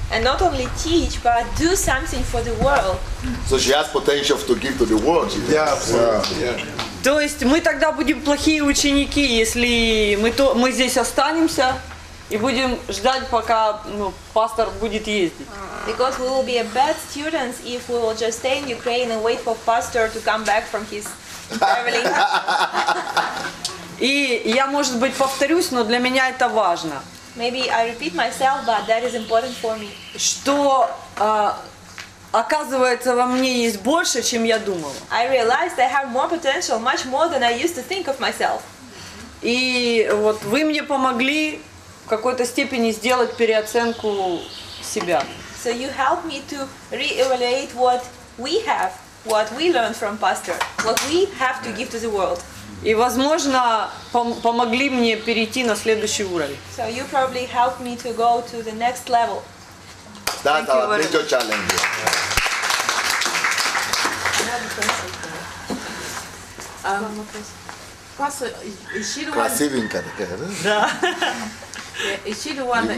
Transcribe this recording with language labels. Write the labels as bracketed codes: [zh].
[en] And not only teach, but do something for the world. So she has potential to give to the world. Yeah, absolutely. Yeah. [ru] То есть мы тогда будем плохие ученики, если мы здесь останемся и будем ждать, пока, ну, пастор будет ездить. [en] Because we will be a bad students if we will just stay in Ukraine and wait for pastor to come back from his traveling. [ru] И я, может быть, повторюсь, но для меня это важно. [en] Maybe I repeat myself, but that is important for me. [ru] Что оказывается во мне есть больше, чем я думала. [en] I realized I have more potential, much more than I used to think of myself. [ru] И вот вы мне помогли в какой-то степени сделать переоценку себя. [en] So you helped me to re-evaluate what we have, what we learned from Pastor, what we have to give to the world. [ru] И, возможно, помогли мне перейти на следующий уровень. [en] So you probably helped me to go to the next level. That's our major challenge. Yeah. Pastor, is she the one that...